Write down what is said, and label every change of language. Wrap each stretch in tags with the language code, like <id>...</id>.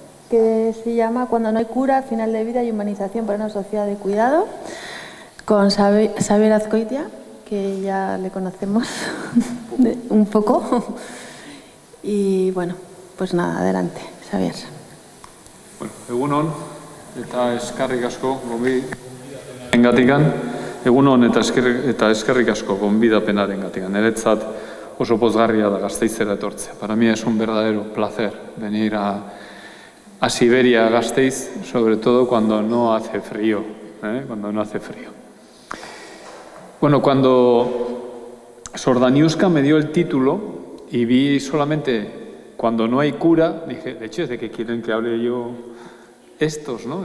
<es>que se llama Cuando no hay cura, final de vida y humanización para una sociedad de cuidado, con Xabier Azcoitia, que ya le conocemos un poco. Y bueno, pues nada, adelante, Xabier.</es> <eu>Bueno, egunon, eta eskerrik asko, gonbidapenarengatikan. Egunon, eta eskerrik asko, gonbidapenarengatikan. Niretzat oso pozgarria da Gasteizera etortzea.</eu> <es>Para mí es un verdadero placer venir a Siberia, a Gasteiz, sobre todo cuando no hace frío. Cuando no hace frío. Bueno, cuando Sordaniuska me dio el título y vi solamente cuando no hay cura, dije, de hecho, ¿de qué quieren que hable yo estos, no?</es>